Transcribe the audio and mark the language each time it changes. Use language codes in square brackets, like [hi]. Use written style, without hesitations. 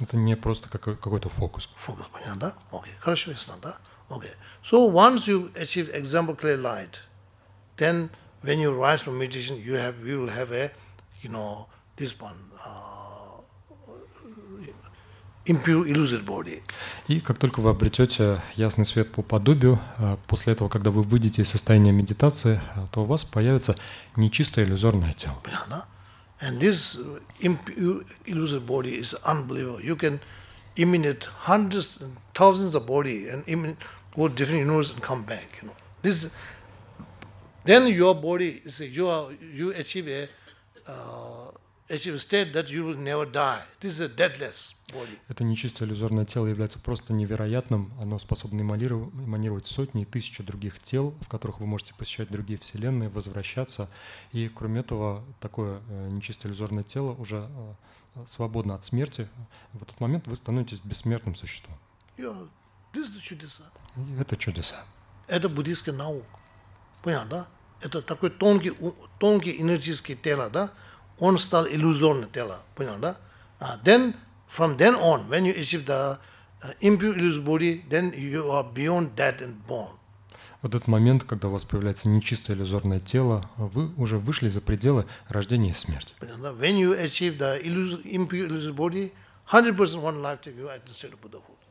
[ru] Это не просто какой-то фокус. Фокус, понятно, да, окей, хорошо, ясно, да, окей. [en] So once you achieve example clear light, then when you rise from meditation, you have, you will have a, you know, this one, impure illusory body. [ru] И как только вы обретете ясный свет по подобию, после этого, когда вы выйдете из состояния медитации, то у вас появится нечистое иллюзорное тело. Понятно? [en] And this impure illusory body is unbelievable. You can emanate hundreds, thousands of body and go to different universes and come back. You know, this. Then your body is you achieve a state that you will never die. This is a deadless body. [ru] Это нечистое иллюзорное тело является просто невероятным. Оно способно эманировать сотни и тысячи других тел, в которых вы можете посещать другие вселенные, возвращаться. И кроме этого, такое нечистое иллюзорное тело уже свободно от смерти. В этот момент вы становитесь бессмертным существом. [en] This is the [ru] чудеса. Это чудеса. Это буддийская наука. Понятно, да? Это такой тонкий энергетический тело, да? Он стал иллюзорным телом, понятно, да? [en] Then, from then on, when you achieve the impure illusory body, then you are beyond dead and born. [ru] В этот момент, когда у вас появляется нечистое иллюзорное тело, вы уже вышли за пределы рождения и смерти. Понятно, да? [en] When you achieve the impure illusory body, 100% one lifetime you are at the state of Buddhahood.